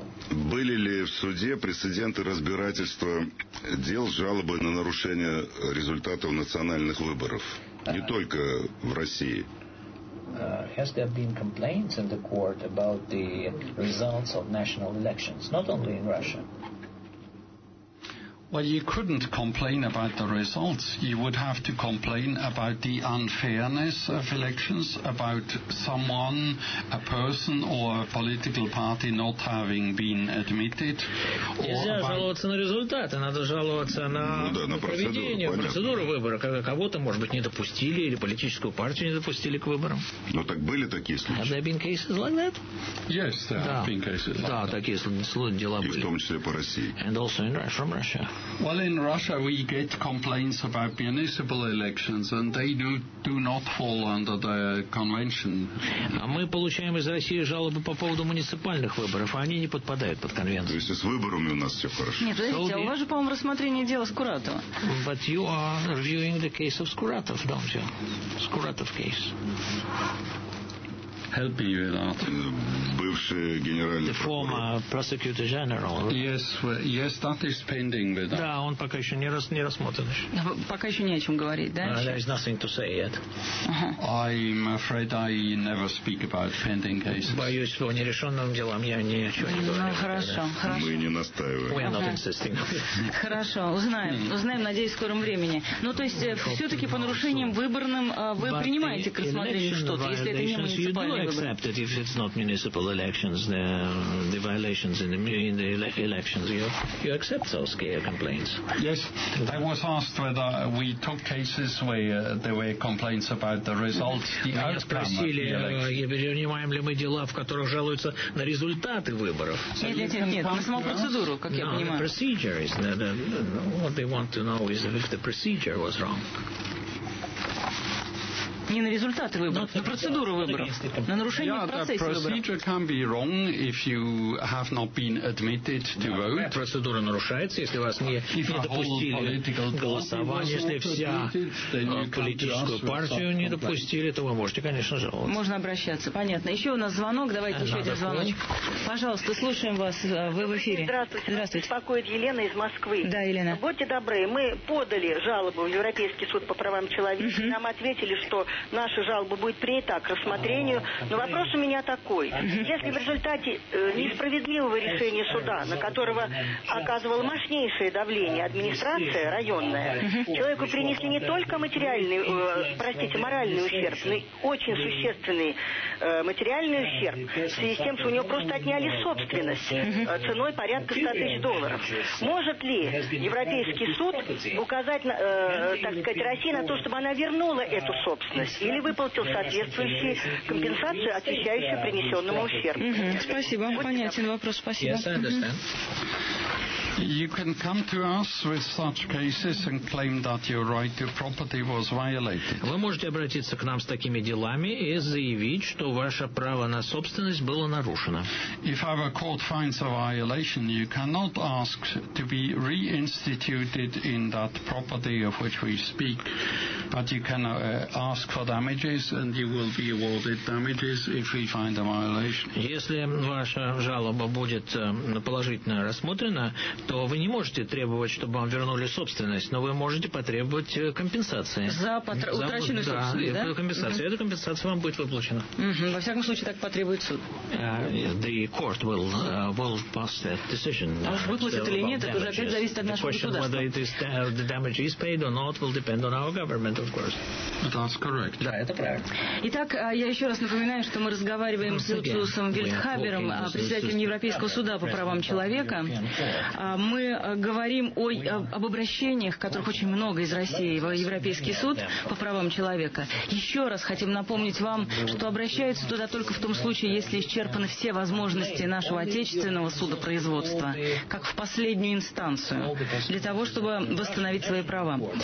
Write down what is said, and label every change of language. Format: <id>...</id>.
<ru>Были ли в суде прецеденты разбирательства дел с жалобой на нарушение результатов национальных выборов? Не только в России.</ru> <en>Has there been complaints in the court about the results of national elections, not only in Russia? Well, you couldn't complain about the results. You would have to complain about the unfairness of elections, about someone, a person or a political party not having been admitted.</en> <ru>Нельзя жаловаться на результаты, надо жаловаться на, на проведение, процедуру выбора. Когда кого-то, может быть, не допустили или политическую партию не допустили к выборам. Но так были такие случаи?</ru> <en>Have there been cases like that? Yes, there have been cases like that.</en> <ru>Да, такие случаи, дела были. И в том числе по России.</ru> <en>And also in Russia, from Russia. Well, in Russia, we get complaints about municipal elections, and they do not fall under the convention.</en> <ru>А мы получаем из России жалобы по поводу муниципальных выборов, а они не подпадают под конвенцию. То есть с выборами у нас все хорошо. Нет, подождите, а у вас же, по-моему, рассмотрение дела Скуратова.</ru> <en>But you are reviewing the case of Skuratov, don't you? Skuratov case. help you with that. The former prosecutor general. Yes, that is pending with that.</en> <ru>Да, он пока еще не раз не рассмотрен. Пока еще не о чем говорить, да?</ru> <en>There is nothing to say yet. I'm afraid I never speak about pending cases.</en> <ru>Боюсь, что о нерешенных делах я ни о чем не говорю. Хорошо. Мы не настаиваем.</ru> <en>We are not insisting.</en> <ru>Хорошо, узнаем, надеюсь, в скором времени. Ну, то есть, все-таки по нарушениям выборным вы принимаете к рассмотрению что-то, если это не муниципальный выбор.</ru> <en>You do accept it if it's not municipal elections, the violations in the elections. You accept those complaints? Yes. I was asked whether we took cases where there were complaints about the results, the outcome.</en> <ru>Меня спросили, принимаем ли мы дела, в которых жалуются на результаты выборов. Нет, на саму процедуру, как я понимаю.</ru> <en>The procedure is that what they want to know is if the procedure was wrong.</en> <ru>Не на результаты выборов, на процедуру выборов, на нарушение процесса выборов.</ru> <en>Yeah, the procedure can be wrong if you have not been admitted to vote. Yeah,</en> <ru>процедура нарушается, если вас не допустили голосование, если вся политическую партию не допустили, то вы можете, конечно, жаловаться. Можно обращаться, понятно. Еще у нас звонок, давайте еще один звоночек. Пожалуйста, слушаем вас, вы в эфире. Здравствуйте. Здравствуйте. Беспокоит Елена из Москвы. Да, Елена. Будьте добры, мы подали жалобу в Европейский суд по правам человека, uh-huh. Нам ответили, что наша жалоба будет принята к рассмотрению. Но вопрос у меня такой. Если в результате несправедливого решения суда, на которого оказывало мощнейшее давление администрация районная, человеку принесли не только материальный, простите, моральный ущерб, но и очень существенный материальный ущерб, в связи с тем, что у него просто отняли собственность ценой порядка 100 тысяч долларов. Может ли Европейский суд указать, так сказать, России на то, чтобы она вернула эту собственность? Или выплатил соответствующую компенсацию, отвечающую принесенному ущербу. Mm-hmm. Спасибо. Понятен вопрос. Спасибо.</ru> <en>Yes, I understand. You can come to us with such cases and claim that your right to property was violated.</en> <ru>Вы можете обратиться к нам с такими делами и заявить, что ваше право на собственность было нарушено.</ru> <en>If our court finds a violation, you cannot ask to be reinstituted in that property of which we speak, but you can ask for damages and you will be awarded damages if we find a violation.</en> <ru>Если ваша жалоба будет положительно рассмотрена, то вы не можете требовать, чтобы вам вернули собственность, но вы можете потребовать компенсации. За утраченную собственность, да? Да, компенсацию. Uh-huh. Эта компенсация вам будет выплачена. Uh-huh. Во всяком случае, так потребует суд.</ru> <en>The court will pass that decision.</en> <ru>А уж выплатят или нет, это уже опять зависит от нашего государства.</ru> <en>The question whether the damage is paid or not will depend on our government, of course. That's correct.</en> <ru>Да, это правильно. Итак, я еще раз напоминаю, что мы разговариваем с Люциусом Вильдхабером, председателем Европейского суда по правам человека. Мы говорим об обращениях, которых очень много из России, в Европейский суд по правам человека. Еще раз хотим напомнить вам, что обращаются туда только в том случае, если исчерпаны все возможности нашего отечественного судопроизводства, как в последнюю инстанцию, для того, чтобы восстановить свои права.</ru>